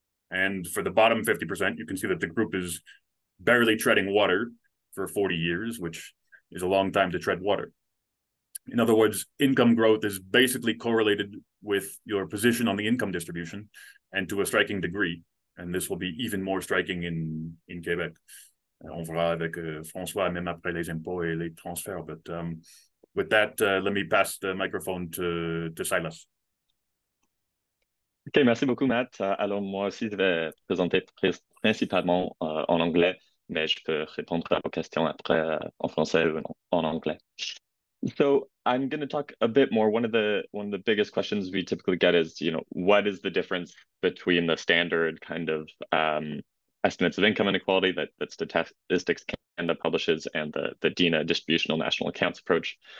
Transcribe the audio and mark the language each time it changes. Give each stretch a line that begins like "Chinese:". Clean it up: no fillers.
English: And for the bottom 50%, you can see that the group is barely treading water for 40 years, which is a long time to tread water. In other words, income growth is basically correlated with your position on the income distribution, and to a striking degree. And this will be even more striking in Quebec.
French: On verra avec François, même après les impôts et les transferts.
English: But with that, let me pass the microphone to Silas.
French: OK, merci beaucoup, Matt. Alors, moi aussi, je vais présenter principalement en anglais, mais je peux répondre à vos questions après en français ou en anglais.
English: So I'm going to talk a bit more. One of the biggest questions we typically get is, you know, what is the difference between the standard kind of estimates of income inequality that Statistics Canada publishes and the DINA distributional national accounts approach.